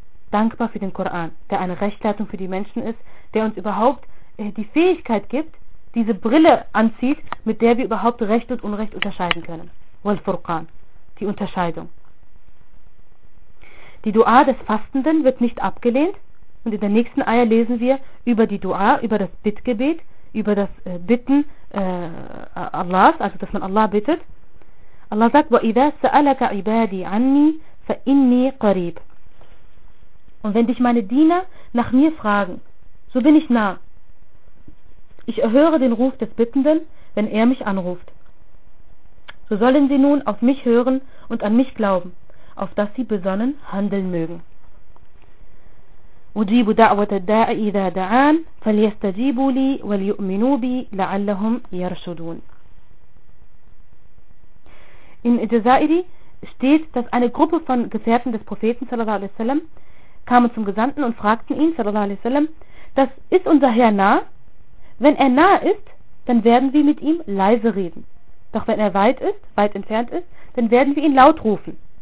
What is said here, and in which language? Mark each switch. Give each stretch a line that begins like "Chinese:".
German: Dankbar für den Koran, der eine Rechtleitung für die Menschen ist, der uns überhaupt die Fähigkeit gibt, diese Brille anzieht, mit der wir überhaupt Recht und Unrecht unterscheiden können. Wal-Furqan, die Unterscheidung. Die Dua des Fastenden wird nicht abgelehnt, Und in der nächsten Aya lesen wir über die Dua, über das Bittgebet, über das Bitten Allahs, also dass man Allah bittet. Allah sagt,
Arabic: وَإِذَا سَأَلَكَ عِبَادِي عَنِّي فَإِنِّي قَرِيب.
German: Und wenn dich meine Diener nach mir fragen, so bin ich nah. Ich erhöre den Ruf des Bittenden, wenn er mich anruft. So sollen sie nun auf mich hören und an mich glauben, auf dass sie besonnen handeln mögen.
Arabic: أجيب دعوة الداع إذا دعان فليستجيبوا لي وليؤمنوا بي لعلهم يرشدون.
German: In Jazairi steht, dass eine Gruppe von Gefährten des Propheten sallallahu alaihi wasallam kamen zum Gesandten und fragten ihn sallallahu alaihi wasallam, das ist unser Herr nah? Wenn er nah ist, dann werden wir mit ihm leise reden. Doch wenn er weit ist, weit entfernt ist, dann werden wir ihn laut rufen.